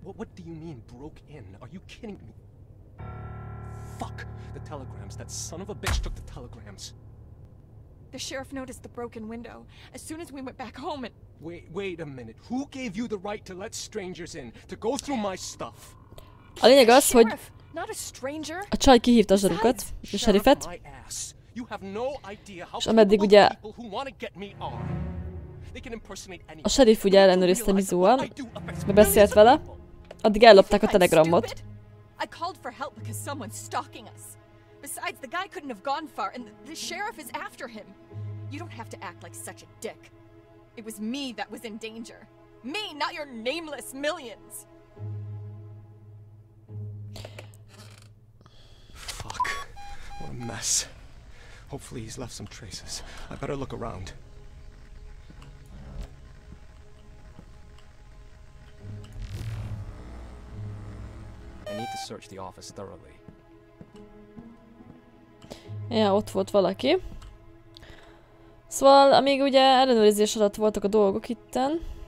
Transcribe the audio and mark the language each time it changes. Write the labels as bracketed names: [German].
[English] What do you mean, broke in? Are you kidding me? Fuck! The telegrams. That son of a bitch took the telegrams. The sheriff noticed the broken window as soon as we went back home and... Wait a minute. Who gave you the right to let strangers in? To go through my stuff? [Hungarian] A lényeg az, hogy [English] not a stranger. [Hungarian] A csaj kihívta a zsarukat, a sheriffet. [English] You have no idea how people who want to get me are. They can impersonate anyone. [Hungarian] A sheriff ugye ellenőrizte Mizuval, beszélt vele. Addig ellopták a telegramot. [English] I called for help because someone's stalking us. Besides, the guy couldn't have gone far, and the sheriff is after him. You don't have to act like such a dick. It was me that was in danger. Me, not your nameless millions. Fuck. What a mess. Hopefully he's left some traces. I better look around. I need to search the office thoroughly. [Hungarian] Ja, ott volt valaki. Szóval, amíg ugye ellenőrizés alatt voltak a dolgok itten.